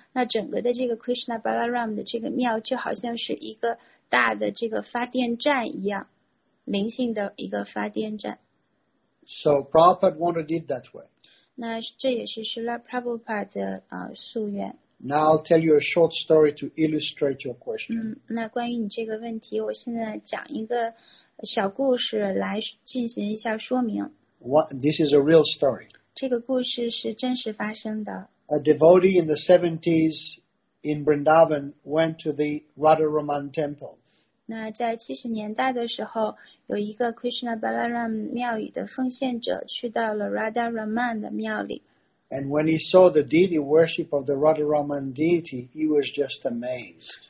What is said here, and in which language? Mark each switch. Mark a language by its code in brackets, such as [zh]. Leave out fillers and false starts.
[zh] 那整个的这个 Krishna Balaram 的这个庙就好像是一个大的这个发电站一样。灵性的一个发电站。 [en] So Prabhupada wanted it that way. [zh] 那这也是 Srila Prabhupada 的夙愿。 [en] Now I'll tell you a short story to illustrate your question. [zh] 那关于你这个问题，我现在讲一个小故事来进行一下说明。 [en] This is a real story. [zh] 这个故事是真实发生的。 [en] A devotee in the 70s in Vrindavan went to the Radharaman Temple. [zh] 那在70年代的时候，有一个 Krishna Balaram 庙宇的奉献者去到了 Radha Raman 的庙里。 [en] And when he saw the deity worship of the Radharaman deity, he was just amazed.